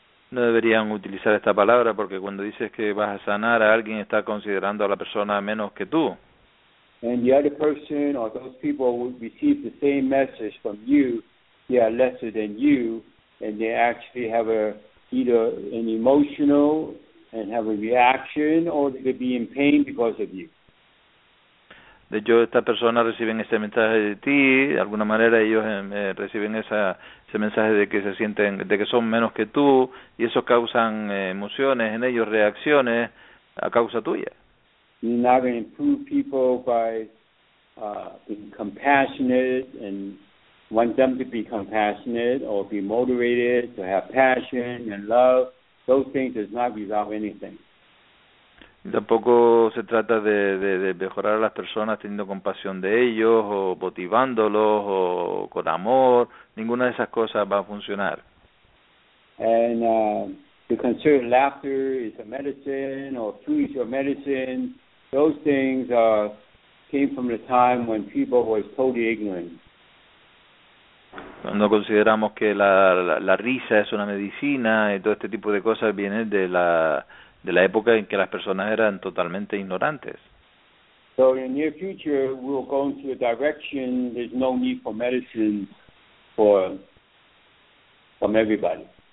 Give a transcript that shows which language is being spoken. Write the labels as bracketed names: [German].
[Spanish] No deberían utilizar esta palabra porque cuando dices que vas a sanar a alguien, está considerando a la persona menos que tú. [English] And the other person or those people would receive the same message from you, they are lesser than you, and they actually have either an emotional and have a reaction, or they could be in pain because of you. [Spanish] De hecho, estas personas reciben ese mensaje de ti, de alguna manera ellos reciben ese mensaje de que se sienten, de que son menos que tú, y eso causan emociones en ellos, reacciones a causa tuya. [English] You're not going to improve people by being compassionate and want them to be compassionate or be motivated to have passion and love. Those things does not resolve anything. [Spanish] Tampoco se trata de mejorar a las personas teniendo compasión de ellos o motivándolos o con amor. Ninguna de esas cosas va a funcionar. [English] And to consider laughter is a medicine or food is your medicine. Those things came from the time when people were totally ignorant. [Spanish] Cuando consideramos que la risa es una medicina y todo este tipo de cosas vienen de la época en que las personas eran totalmente ignorantes. [English] So in the near future, we'll go into a direction there's no need for medicine from everybody.